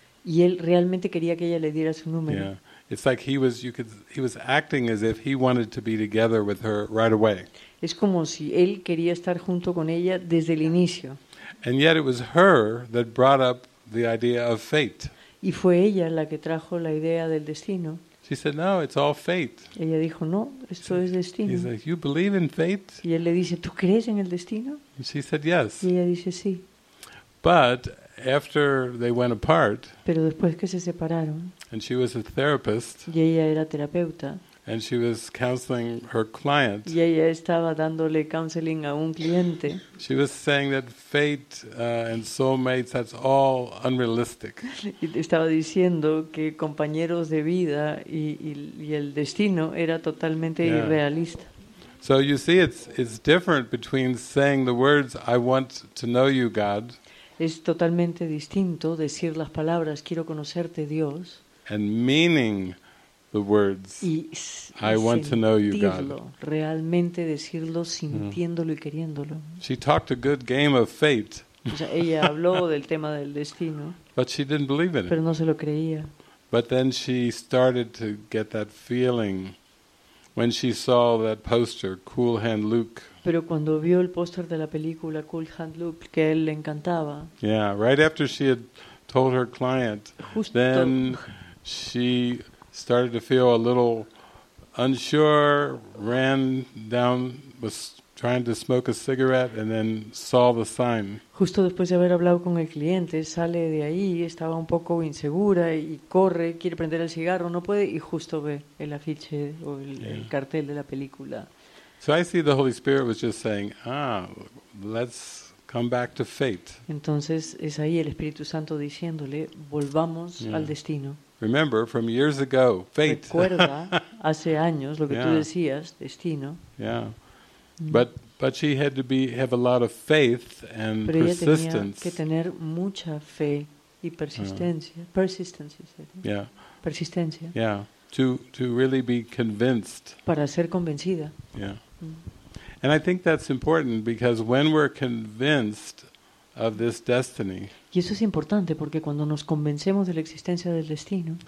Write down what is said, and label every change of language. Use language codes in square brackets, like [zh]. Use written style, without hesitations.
[es] Y él realmente quería que ella le diera su número. [en] Yeah. It's like he was acting as if he wanted to be together with her right away. [es] Es como si él quería estar junto con ella desde el inicio. [en] And yet it was her that brought up the idea of fate. [es] Y fue ella la que trajo la idea del destino. [en] She said, "No, it's all fate." [es] Ella dijo, "No, esto es destino." [en] He's like, "You believe in fate?" [es] Y él le dice, "¿Tú crees en el destino?" [en] And she said, "Yes." [es] Y ella dice, "Sí." [en] But after they went apart. [es] Pero después que se separaron. [en] And she was a therapist. [es] Y ella era terapeuta. [en] And she was counseling her client. [es] Y ella estaba dándole counseling a un cliente. [en] She was saying that fate and soulmates, that's all unrealistic. [es] Y estaba diciendo que compañeros de vida y el destino era totalmente irrealista. [en] So you see, it's different between saying the words, "I want to know you, God." [es] Es totalmente distinto decir las palabras, "Quiero conocerte, Dios." [en] And meaning the words, "I want to know you, God." [es] Realmente decirlo, sintiéndolo y queriéndolo. [en] She talked a good game of fate. [es] O sea, ella habló del tema del destino. [en] But she didn't believe in it. [es] Pero no se lo creía. [en] But then she started to get that feeling When she saw that poster, Cool Hand Luke. [es] Pero cuando vio el póster de la película Cool Hand Luke, que él le encantaba. [en] Yeah, right after she had told her client, [es] justo, [en] then she started to feel a little unsure, ran down, was trying to smoke a cigarette, and then saw the sign. [es] Justo después de haber hablado con el cliente, sale de ahí, estaba un poco insegura y corre, quiere prender el cigarro, no puede, y justo ve el afiche o el, [en] yeah, [es] el cartel de la película. [en] So I see the Holy Spirit was just saying, ah, let's come back to fate. [es] Entonces es ahí el Espíritu Santo diciéndole, volvamos, [en] yeah, [es] al destino. [en] Remember from years ago, fate. [es] Recuerda hace años lo que, [en] yeah, [es] tú decías, destino. [en] Yeah. But she had to have a lot of faith and [es] pero [en] persistence. [es] Pero ella tenía que tener mucha fe y persistencia. [en] Uh-huh. Persistence, is it? Yeah. [es] Persistencia. [en] Yeah. To really be convinced. [es] Para ser convencida. [en] Yeah. And I think that's important because when we're convinced of this destiny. [es] Y eso es importante porque cuando nos convencemos de la existencia del destino.